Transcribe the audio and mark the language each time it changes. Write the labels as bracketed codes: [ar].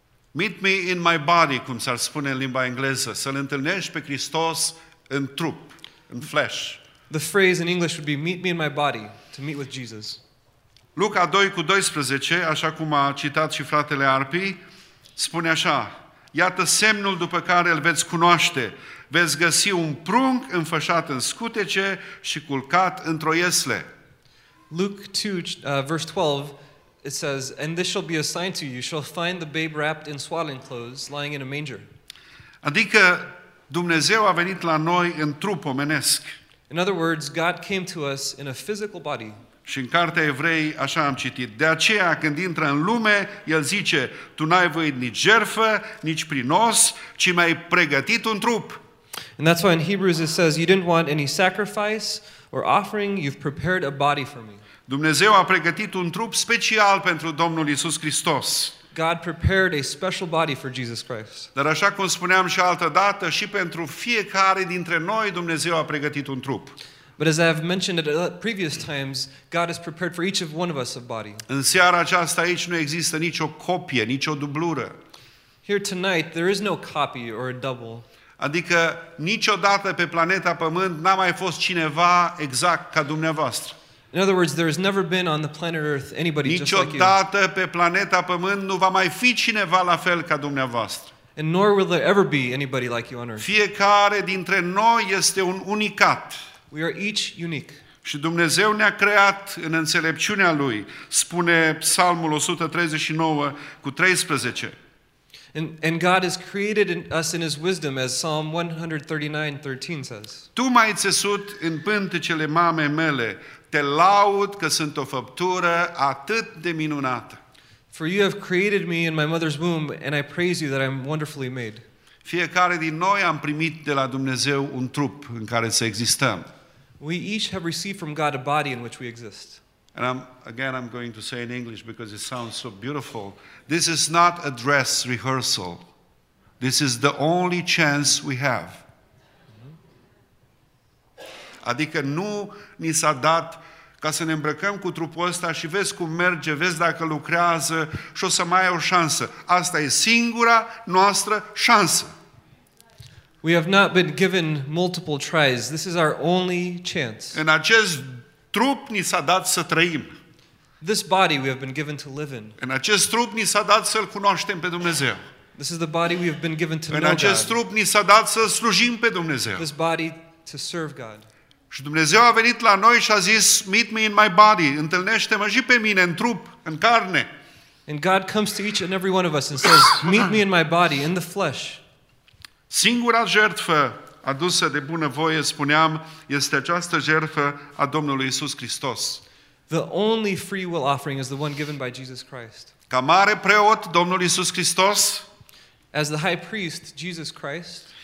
[en] Meet me in my body, [ro] cum s-ar spune în limba engleză, să-L întâlnești pe Hristos în trup, în flesh. [en] The phrase in English would be, meet me in my body, to meet with Jesus. [ro] Luca 2:12, așa cum a citat și fratele Arpi, spune așa, iată semnul după care îl veți cunoaște, veți găsi un prunc înfășat în scutece și culcat într-o iesle. [en] Luke 2:12, it says, and this shall be a sign to you, you shall find the babe wrapped in swaddling clothes, lying in a manger. [ro] Adică Dumnezeu a venit la noi în trup omenesc. [en] In other words, God came to us in a physical body. [ro] Și în cartea Evrei așa am citit. De aceea când intră în lume, el zice: tu n-ai voit nici jertfă, nici prinos, ci mi-ai pregătit un trup. [en] And that's why in Hebrews it says you didn't want any sacrifice or offering, you've prepared a body for me. [ro] Dumnezeu a pregătit un trup special pentru Domnul Iisus Hristos. [en] God prepared a special body for Jesus Christ. [ro] Dar așa cum spuneam și altă dată, și pentru fiecare dintre noi Dumnezeu a pregătit un trup. [en] But as I've mentioned at previous times, God has prepared for each of one of us a body. [ro] În seara aceasta aici nu există nicio copie, nicio dublură. [en] Here tonight there is no copy or a double. [ro] Adică niciodată pe planeta Pământ n-a mai fost cineva exact ca dumneavoastră. [en] In other words, there has never been on the planet Earth anybody just like you. [ro] Niciodată pe planeta Pământ nu va mai fi cineva la fel ca dumneavoastră. [en] And nor will there ever be anybody like you on Earth. [ro] Fiecare dintre noi este un unicat. [en] We are each unique. [ro] Și Dumnezeu ne-a creat în înțelepciunea Lui, spune Psalmul 139:13. [en] And God has created us in His wisdom, as Psalm 139:13 says. [ro] Tu m-ai țesut în pântecele mamei mele, te laud că sunt o făptură atât de minunată. [en] For you have created me in my mother's womb, and I praise you that I'm wonderfully made. [ro] Fiecare din noi am primit de la Dumnezeu un trup în care să existăm. [en] We each have received from God a body in which we exist. And I'm going to say in English because it sounds so beautiful. This is not a dress rehearsal. This is the only chance we have. [ro] Adică nu ni s-a dat ca să ne îmbrăcăm cu trupul ăsta și vezi cum merge, vezi dacă lucrează și o să mai ai o șansă. Asta e singura noastră șansă. [en] We have not been given multiple tries. This is our only chance. [ro] În acest trup ni s-a dat să trăim. [en] This body we have been given to live in. [ro] În acest trup ni s-a dat să-L cunoaștem pe Dumnezeu. [en] This is the body we have been given to know God. [ro] În acest trup ni s-a dat să slujim pe Dumnezeu. [en] This body to serve God. [ro] Și Dumnezeu a venit la noi și a zis, [en] meet me in my body, [ro] întâlnește-mă și pe mine în trup, în carne. [en] And God comes to each and every one of us and says, meet me in my body, in the flesh. [ro] Singura jertfă adusă de bună voie, spuneam, este această jertfă a Domnului Iisus Hristos. [en] The only free will offering is the one given by Jesus Christ. [ro] Ca mare preot, Domnul Iisus Hristos. [en] As the high priest, Jesus Christ.